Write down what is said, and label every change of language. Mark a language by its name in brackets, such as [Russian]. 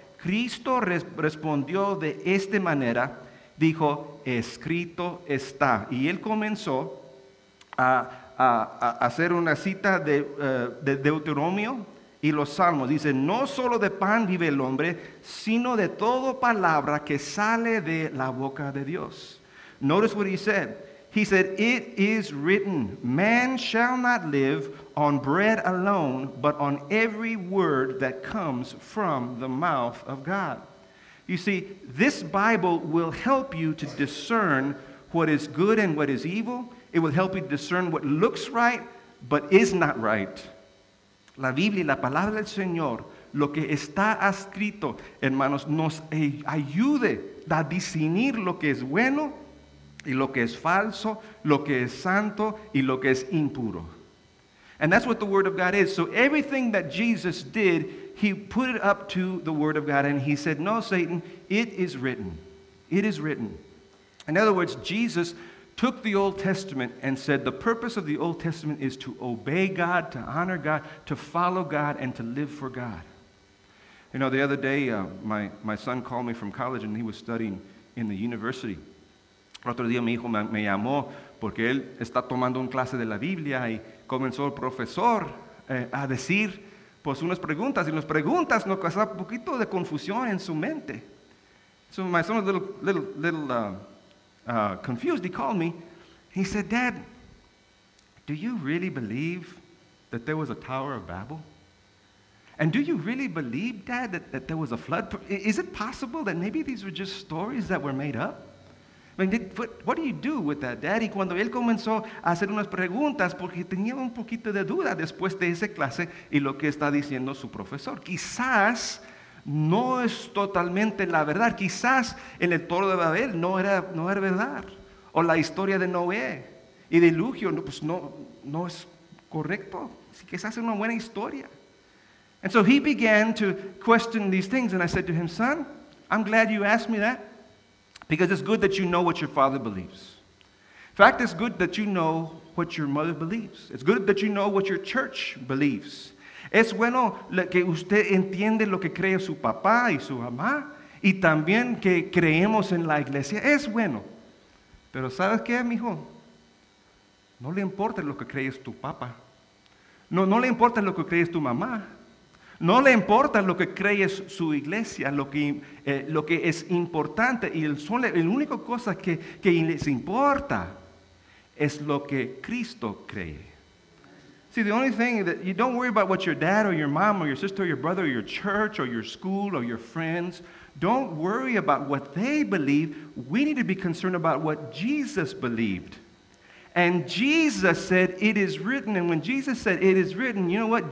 [Spanish] Cristo respondió de esta manera. Dijo, escrito está. Y él comenzó a hacer una cita de Deuteronomio y los Salmos. Dice, no solo de pan vive el hombre, sino de toda palabra que sale de la boca de Dios. [English] Notice what he said. He said, it is written, man shall not live on bread alone, but on every word that comes from the mouth of God. You see, this Bible will help you to discern what is good and what is evil. It will help you discern what looks right, but is not right. [Spanish] La Biblia, la palabra del Señor, lo que está escrito, hermanos, nos ayude a discernir lo que es bueno y lo que es falso, lo que es santo y lo que es impuro. [English] And that's what the Word of God is. So everything that Jesus did, he put it up to the Word of God, and he said, no, Satan, it is written. It is written. In other words, Jesus took the Old Testament and said, the purpose of the Old Testament is to obey God, to honor God, to follow God, and to live for God. You know, the other day, my son called me from college, and he was studying in the university. [Spanish] Otro día, mi hijo me llamó porque él está tomando una clase de la Biblia, y comenzó el profesor a decir pues unas preguntas, y las preguntas nos causaron un poquito de confusión en su mente. [English] So my son was a little confused. He called me. He said, "Dad, do you really believe that there was a Tower of Babel? And do you really believe, Dad, that there was a flood? Is it possible that maybe these were just stories that were made up? I mean, what do you do with that, Dad?" [Spanish] Y cuando él comenzó a hacer unas preguntas, porque tenía un poquito de duda después de esa clase y lo que está diciendo su profesor. Quizás no es totalmente la verdad. Quizás en el Toro de Babel no era verdad. O la historia de Noé y diluvio, pues no es correcto. Quizás es una buena historia. [English] And so he began to question these things, and I said to him, "Son, I'm glad you asked me that, because it's good that you know what your father believes. In fact, it's good that you know what your mother believes. It's good that you know what your church believes. [Spanish] Es bueno que usted entiende lo que cree su papá y su mamá, y también que creemos en la iglesia. Es bueno. Pero ¿sabes qué, mijo? No le importa lo que crees tu papá. No le importa lo que crees tu mamá. No le importa lo que crees su iglesia, lo que es importante. Y el único cosa que les importa es lo que Cristo cree." [English] See, the only thing that you don't worry about what your dad or your mom or your sister or your brother or your church or your school or your friends. Don't worry about what they believe. We need to be concerned about what Jesus believed. And Jesus said, "It is written." And when Jesus said, "It is written," you know what?